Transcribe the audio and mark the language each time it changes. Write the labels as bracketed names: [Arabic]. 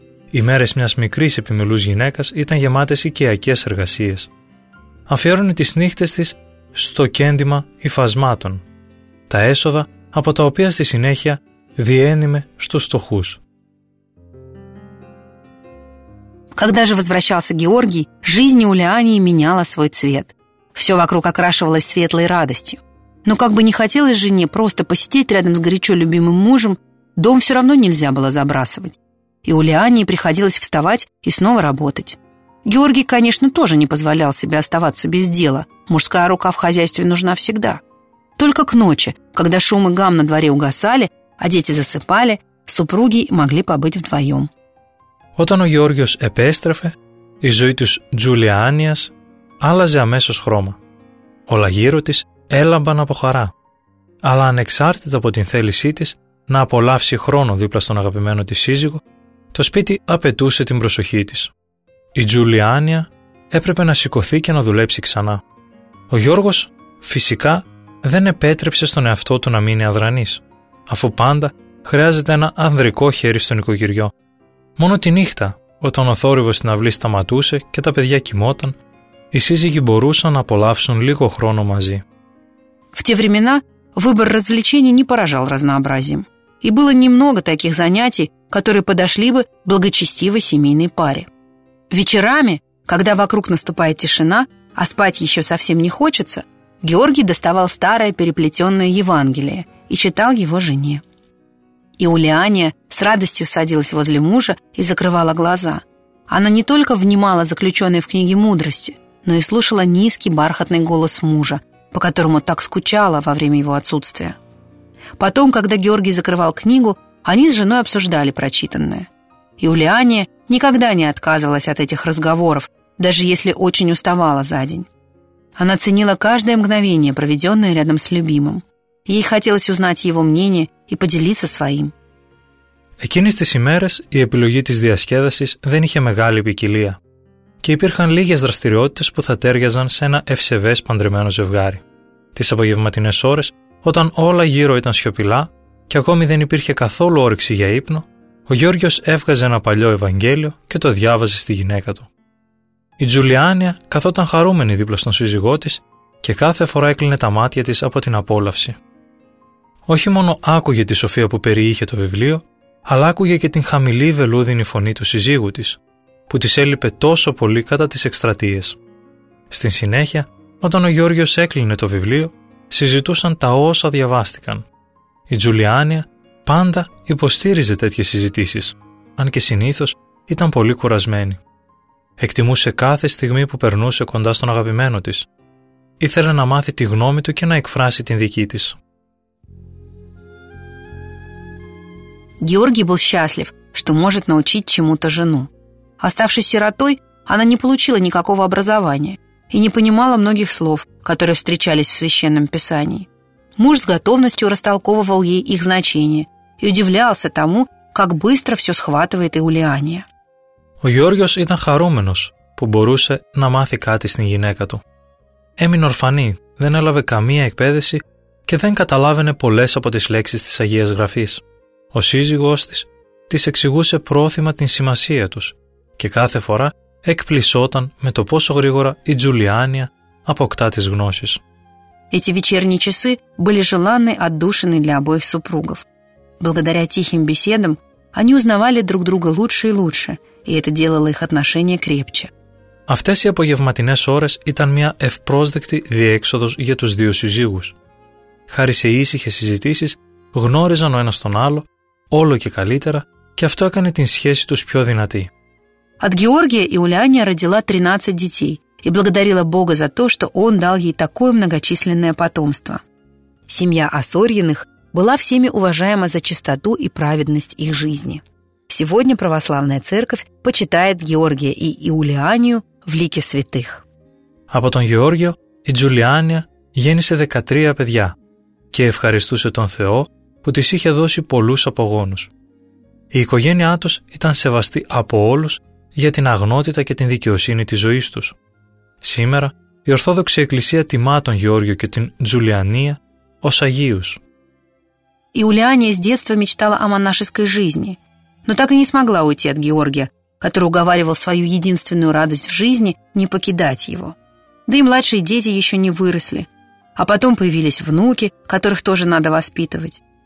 [Greek] Οι μέρες μιας μικρής επιμελούς γυναίκας ήταν γεμάτες οικιακές εργασίες. Αφιέρωνε τις νύχτες της στο κέντημα υφασμάτων. Τα έσοδα από τα οποία στη συνέχεια διένυμε στους φτωχούς. [Russian] Когда же возвращался Георгий, жизнь Иулиании меняла свой цвет. Все вокруг окрашивалось светлой радостью. Но как бы не хотелось жене просто посидеть рядом с горячо любимым мужем, дом все равно нельзя было забрасывать. Иулиании приходилось вставать и снова работать. Георгий, конечно, тоже не позволял себе оставаться без дела. Мужская рука в хозяйстве нужна всегда. Только к ночи, когда шум и гам на дворе угасали, а дети засыпали, супруги могли побыть вдвоем. [Greek] Όταν ο Γεώργιος επέστρεφε, η ζωή της Τζουλιάνιας άλλαζε αμέσως χρώμα. Όλα γύρω της έλαμπαν από χαρά. Αλλά ανεξάρτητα από την θέλησή της να απολαύσει χρόνο δίπλα στον αγαπημένο της σύζυγο, το σπίτι απαιτούσε την προσοχή της. Η Τζουλιάνια έπρεπε να σηκωθεί και να δουλέψει ξανά. Ο Γιώργος φυσικά δεν επέτρεψε στον εαυτό του να μείνει αδρανής, αφού πάντα χρειάζεται ένα ανδρικό χέρι στο νοικοκυριό. Μόνο τη νύχτα, όταν ο θόρυβος στην αυλή σταματούσε και τα παιδιά κοιμόταν, οι σύζυγοι μπορούσαν να απολαύσουν λίγο χρόνο μαζί. [Russian] В те времена выбор развлечений не поражал разнообразием, и было немного таких занятий, которые подошли бы благочестивой семейной паре. Вечерами, когда вокруг наступает тишина, а спать еще совсем не хочется, Георгий доставал старое переплетенное Евангелие и читал его жене. Иулиания с радостью садилась возле мужа и закрывала глаза. Она не только внимала заключенной в книге мудрости, но и слушала низкий бархатный голос мужа, по которому так скучала во время его отсутствия. Потом, когда Георгий закрывал книгу, они с женой обсуждали прочитанное. Иулиания никогда не отказывалась от этих разговоров, даже если очень уставала за день. Она ценила каждое мгновение, проведенное рядом с любимым. Ей хотелось узнать его мнение и поделиться своим. [Greek] Εκείνες τις ημέρες η επιλογή της διασκέδασης δεν είχε μεγάλη ποικιλία και υπήρχαν λίγες δραστηριότητες που θα τέριαζαν σε ένα ευσεβές παντρεμένο ζευγάρι. Τις απογευματινές ώρες, όταν όλα γύρω ήταν σιωπηλά και ακόμη δεν υπήρχε καθόλου όρεξη για ύπνο, ο Γιώργιος έβγαζε ένα παλιό Ευαγγέλιο και το διάβαζε στη γυναίκα του. Η Τζουλιάνια καθόταν χαρούμενη δίπλα στον σύζυγό της και κάθε φορά έκλεινε τα μάτια της από την απόλαυση. Όχι μόνο άκουγε τη σοφία που περιείχε το βιβλίο, αλλά άκουγε και την χαμηλή βελούδινη φωνή του συζύγου της, που της έλειπε τόσο πολύ κατά τις εκστρατείες. Στην συνέχεια, όταν ο Γιώργιος έκλεινε το βιβλίο, συζητούσαν τα όσα διαβάστηκαν. Η Τζουλιάνια πάντα υποστήριζε τέτοιες συζητήσεις, αν και συνήθως ήταν πολύ κουρασμένη. Εκτιμούσε κάθε στιγμή που περνούσε κοντά στον αγαπημένο της. Ήθελε να μάθει τη γνώμη του και να εκφράσει την δική της. [Russian] Георгий был счастлив, что может научить чему-то жену. Оставшись сиротой, она не получила никакого образования и не понимала многих слов, которые встречались в Священном Писании. Муж с готовностью растолковывал ей их значение и удивлялся тому, как быстро все схватывает Иулиания. [Greek] Ο Γιώργιος ήταν χαρούμενος που μπορούσε να μάθει κάτι στην γυναίκα του. Έμεινε ορφανή, δεν έλαβε καμία εκπαίδευση και δεν καταλάβαινε πολλές από τις λέξεις της Αγίας Γραφής. Ο σύζυγός της εξηγούσε πρόθυμα την σημασία τους και κάθε φορά εκπλησόταν με το πόσο γρήγορα η Τζουλιάνια αποκτά τις γνώσεις. [Russian] Эти вечерние часы были желанной отдушиной для обоих супругов. Благодаря тихим беседам они узнавали друг друга лучше и лучше, и это делало их отношения крепче. [Greek] Αυτές οι απογευματινές ώρες ήταν μια ευπρόσδεκτη διέξοδος για τους δύο συζύγους. Χάρη σε ήσυχες συζητήσεις, γνώριζαν ο ένας τον άλλο, όλο και καλύτερα, και αυτό έκανε την σχέση τους πιο δυνατή. [Russian] От Георгия Иулиания родила 13 детей и благодарила Бога за то, что он дал ей такое многочисленное потомство. Семья Оссорьиных была всеми уважаема за чистоту и праведность их жизни. Сегодня православная церковь почитает Георгия и Иулианию в лике святых. [Greek] Από τον Γεώργιο η Τζουλιάνια γέννησε 13 παιδιά και ευχαριστούσε τον Θεό που της είχε δώσει πολλούς απογόνους. Η οικογένειά τους ήταν σεβαστή από όλους για την αγνότητα και την δικαιοσύνη της ζωής τους. Σήμερα, η Ορθόδοξη Εκκλησία τιμά τον Γεώργιο και την Τζουλιανία ως Αγίους. [Russian] Η Ιουλιάνια из детства мечтала о монашеской жизни, но так и не смогла уйти от Георгия, который уговаривал свою единственную радость в жизни не покидать его. Да и младшие дети еще не выросли. А потом появились внуки, которых тоже надо воспитывать.